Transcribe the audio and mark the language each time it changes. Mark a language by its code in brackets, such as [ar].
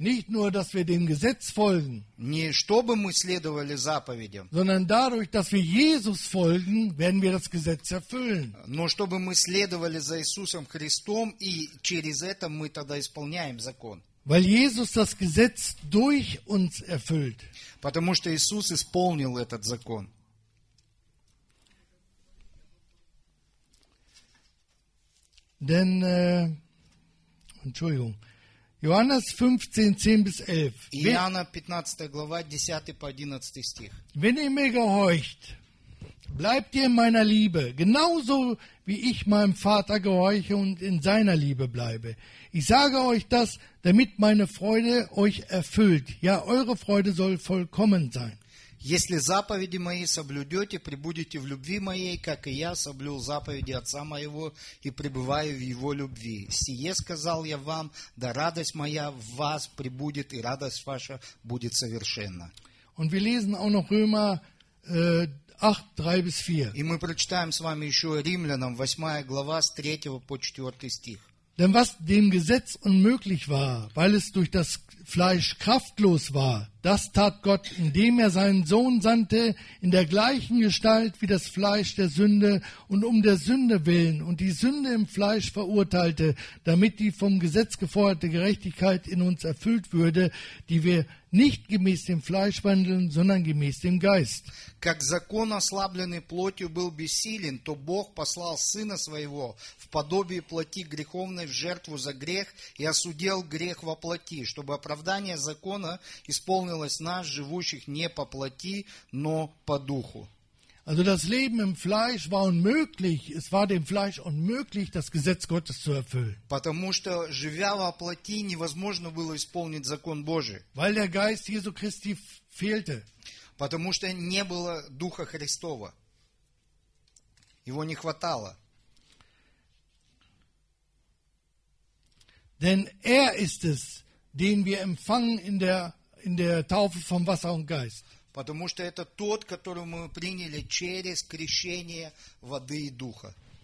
[de] Nicht nur, dass wir dem Gesetz folgen, [ru] не чтобы мы следовали заповедям, [de] sondern dadurch, dass wir Jesus folgen, werden wir das Gesetz erfüllen. [ru] Но чтобы мы следовали за Иисусом Христом, и через это мы тогда исполняем закон. [de] Weil Jesus das Gesetz durch uns erfüllt. [ru] Потому что Иисус исполнил этот закон. [de] Denn, Entschuldigung, Johannes 15, 10 bis 11. [ru] Иоанна 15, глава 10 по 11 стих. [de] Wenn ihr mir gehorcht, bleibt ihr in meiner Liebe, genauso wie ich meinem Vater gehorche und in seiner Liebe bleibe. Ich sage euch das, damit meine Freude euch erfüllt. Ja, eure Freude soll vollkommen sein. [ru] Если заповеди мои соблюдете, пребудете в любви моей, как и я соблюл заповеди Отца моего и пребываю в Его любви. Сие сказал я вам, да радость моя в вас пребудет, и радость ваша будет совершенна. [de] Und wir lesen auch noch Römer, 8, 3 bis 4. [ru] И мы прочитаем с вами еще Римлянам, 8 глава, с 3 по 4 стих. [de] Denn was dem Gesetz unmöglich war, weil es durch das Fleisch kraftlos war, das tat Gott, indem er seinen Sohn sandte, in der gleichen Gestalt wie das Fleisch der Sünde und um der Sünde willen und die Sünde im Fleisch verurteilte, damit die vom Gesetz geforderte Gerechtigkeit in uns erfüllt würde, die wir nicht gemäß dem Fleisch wandeln, sondern gemäß dem Geist. [ru] Как закон, ослабленный плотью, был бессилен, то Бог послал Сына Своего в подобие плоти греховной в жертву за грех и осудил грех во плоти, чтобы оправдание закона исполнилось нас, живущих не по плоти, но по духу. [de] Also das Leben im Fleisch war unmöglich, es war dem Fleisch unmöglich, das Gesetz Gottes zu erfüllen. [ru] Потому что, живя во плоти, невозможно было исполнить закон Божий. [de] Weil der Geist Jesu Christi fehlte. [ru] Потому что не было Духа Христова. Его не хватало. [de] Denn er ist es, den wir empfangen in der Taufe vom Wasser und Geist. [ru] Потому что это тот, которого мы приняли через крещение воды и духа.